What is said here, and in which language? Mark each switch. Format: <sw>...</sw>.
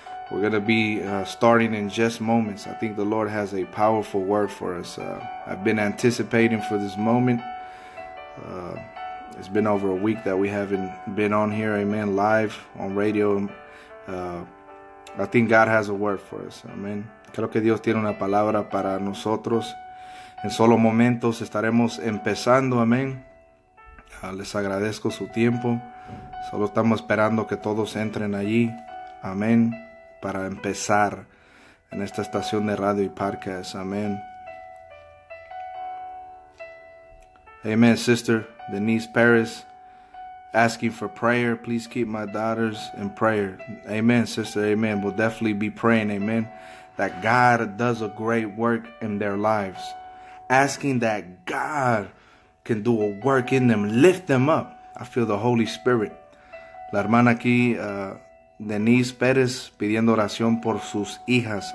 <en>We're going to be starting in just moments. I think the Lord has a powerful word for us. I've been anticipating for this moment. It's been over a week that we haven't been on here. Amen. Live on radio. I think God has a word for us. Amen.</en> <es>Creo que Dios tiene una palabra para nosotros. En solo momentos estaremos empezando. Amen. Les agradezco su tiempo. Solo estamos esperando que todos entren allí. Amen. Para empezar en esta estación de radio y podcast. Amen.</es> <en>Amen, sister Denise Paris. Asking for prayer. Please keep my daughters in prayer. Amen, sister. Amen. We'll definitely be praying. Amen. That God does a great work in their lives. Asking that God can do a work in them. Lift them up. I feel the Holy Spirit.</en> <es>La hermana aquí, Denise Pérez, pidiendo oración por sus hijas.</es>